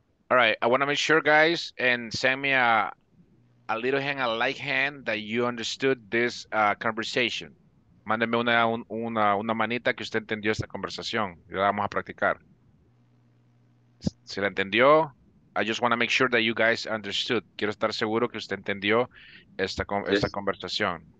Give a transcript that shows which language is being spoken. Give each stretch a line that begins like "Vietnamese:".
English: All right, I want to make sure, guys, and send me a little hand, a light hand, that you understood this conversation.
Spanish: Mándeme una manita que usted entendió esta conversación. Y la vamos a practicar. Si la entendió,
English: I just want to make sure that you guys understood.
Spanish: Quiero estar seguro que usted entendió esta conversación.